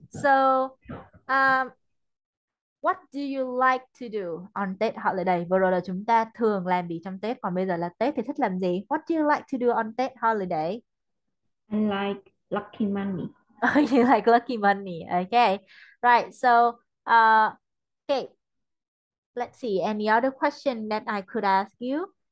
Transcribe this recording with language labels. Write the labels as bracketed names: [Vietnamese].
[English] So, what do you like to do on Tết holiday? [Vietnamese] Vừa rồi là chúng ta thường làm gì trong Tết, còn bây giờ là Tết thì thích làm gì? [English] What do you like to do on Tết holiday? I like lucky money. Oh, you like lucky money. Okay. Right. So, okay. Let's see. Any other question that I could ask you?